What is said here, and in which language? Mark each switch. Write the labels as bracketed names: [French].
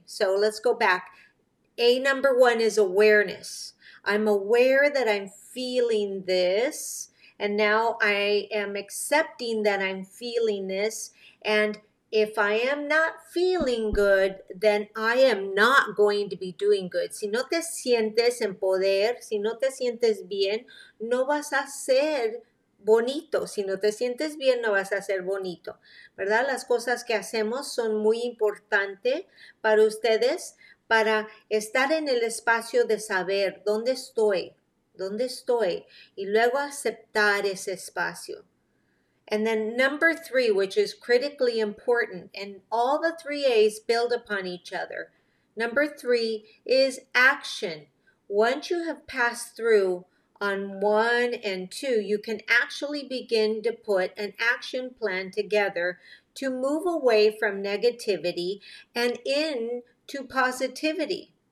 [English] So let's go back. A number one is awareness. I'm aware that I'm feeling this, and now I am accepting that I'm feeling this. And if I am not feeling good, then I am not going to be doing good. [Spanish] Si no te sientes en poder, si no te sientes bien, no vas a ser bonito. Si no te sientes bien, no vas a ser bonito, ¿verdad? Las cosas que hacemos son muy importantes para ustedes, para estar en el espacio de saber dónde estoy, y luego aceptar ese espacio. [English] And then number three, which is critically important, and all the three A's build upon each other. Number three is action. Once you have passed through on one and two, you can actually begin to put an action plan together to move away from negativity and into positivity.